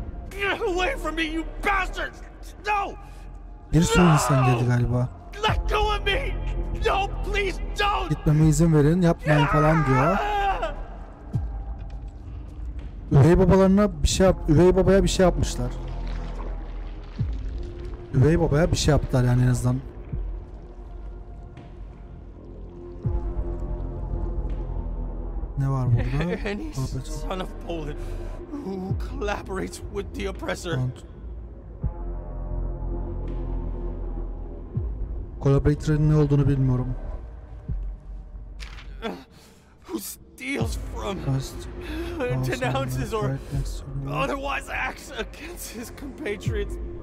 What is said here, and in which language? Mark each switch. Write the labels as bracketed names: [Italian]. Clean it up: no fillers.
[English] Get away from me, you bastard! No! [Turkish] Bir sürü insan geldi galiba. [English] Let go of me! No, please don't! [Turkish] Gitmeme izin verin, yapmayın falan diyor. Üvey babalarına bir şey yap, üvey babaya bir şey yapmışlar. Üvey babaya bir şey yaptılar yani en azından. Ne var burada? [English] Son of Poland, who collaborates with the oppressor. [Turkish] Collaborator'ın ne olduğunu bilmiyorum. [English] Who steals from denounces or otherwise acts against his compatriots.